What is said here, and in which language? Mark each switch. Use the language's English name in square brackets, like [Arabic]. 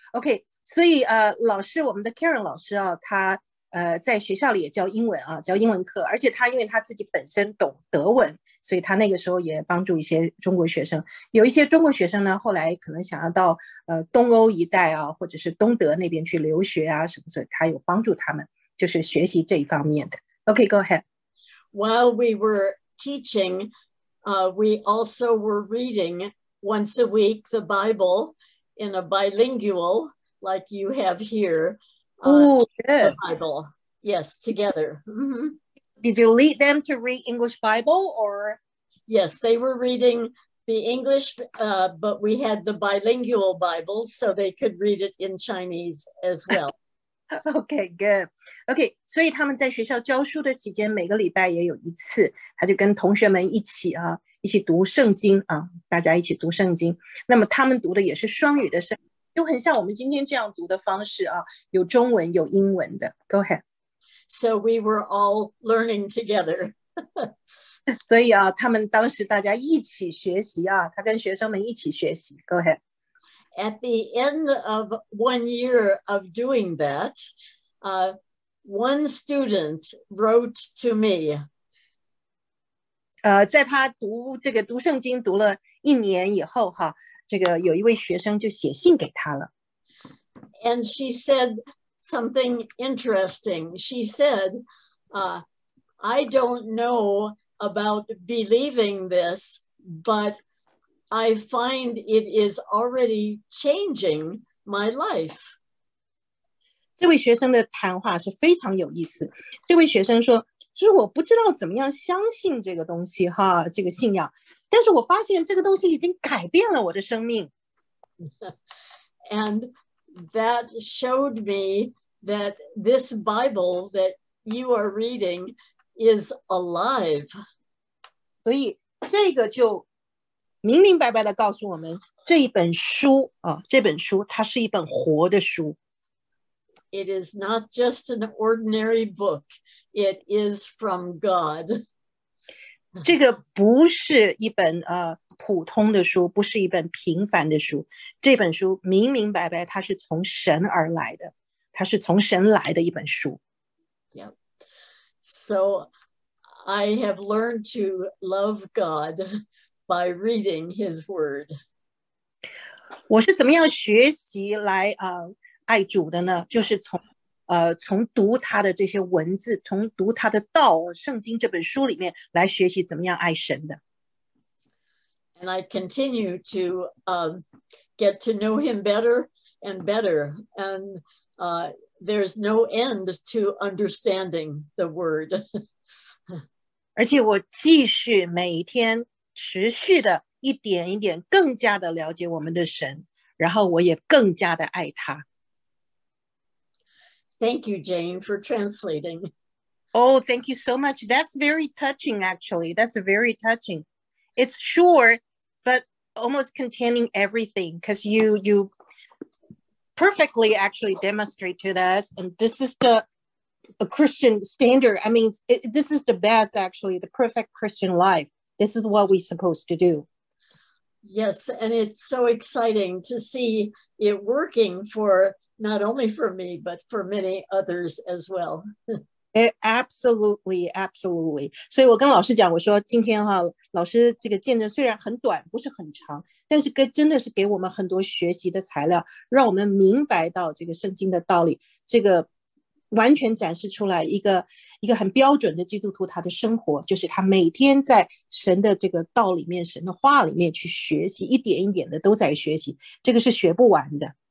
[Chinese] Okay, 所以老师，我们的 Karen 老师啊，他在学校里也教英文啊，教英文课，而且他因为他自己本身懂德文，所以他那个时候也帮助一些中国学生。有一些中国学生呢，后来可能想要到东欧一带啊，或者是东德那边去留学啊什么的，他有帮助他们，就是学习这一方面的。 Okay, go ahead. [English] While we were teaching,we also were reading once a week the Bible in a bilingual, like you have here. Ooh, good. The Bible. Yes, together. Mm-hmm. Did you lead them to read English Bible or? Yes, they were reading the English, but we had the bilingual Bible so they could read it in Chinese as well. Okay, good. [Chinese] Okay, 所以他们在学校教书的期间，每个礼拜也有一次，他就跟同学们一起啊，一起读圣经啊，大家一起读圣经。那么他们读的也是双语的圣经，就很像我们今天这样读的方式啊，有中文，有英文的。 [English] Go ahead. So we were all learning together. [Chinese] 所以啊，他们当时大家一起学习啊，他跟学生们一起学习。 [English] Go ahead. At the end of 1 year of doing that, one student wrote to me. [Chinese] 在他读这个读圣经读了一年以后哈，这个有一位学生就写信给他了。 [English] And she said something interesting. She said, I don't know about believing this, but... I find it is already changing my life. [Chinese] 这位学生的谈话是非常有意思。这位学生说，就是我不知道怎么样相信这个东西哈，这个信仰，但是我发现这个东西已经改变了我的生命。 [English] And that showed me that this Bible that you are reading is alive. [Chinese] 所以这个就明明白白地告诉我们，这一本书啊，这本书它是一本活的书。 [English] It is not just an ordinary book; it is from God. [Chinese] 这个不是一本普通的书，不是一本平凡的书。这本书明明白白，它是从神而来的，它是从神来的一本书。 [English] Yep. So I have learned to love God. By reading his word. [Chinese] 我是怎么样学习来爱主的呢？就是从读他的这些文字，从读他的道，圣经这本书里面来学习怎么样爱神的。 [English] And I continue to get to know him better and better. And there's no end to understanding the word. [Chinese] 而且我继续每天持续的一点一点更加的了解我们的神，然后我也更加的爱他。 [English] Thank you, Jane, for translating. Oh, thank you so much. That's very touching, actually. That's very touching. It's short, but almost containing everything, because you perfectly actually demonstrate to us, and this is a Christian standard. I mean, this is the best, actually, the perfect Christian life. This is what we're supposed to do. Yes, and it's so exciting to see it working for not only for me, but for many others as well. Absolutely, absolutely. [Chinese] 所以我跟老师讲，我说今天哈，老师这个见证虽然很短，不是很长，但是真的是给我们很多学习的材料，让我们明白到这个圣经的道理，这个完全展示出来一个很标准的基督徒他的生活，就是他每天在神的这个道里面，神的话里面去学习，一点一点的都在学习，这个是学不完的。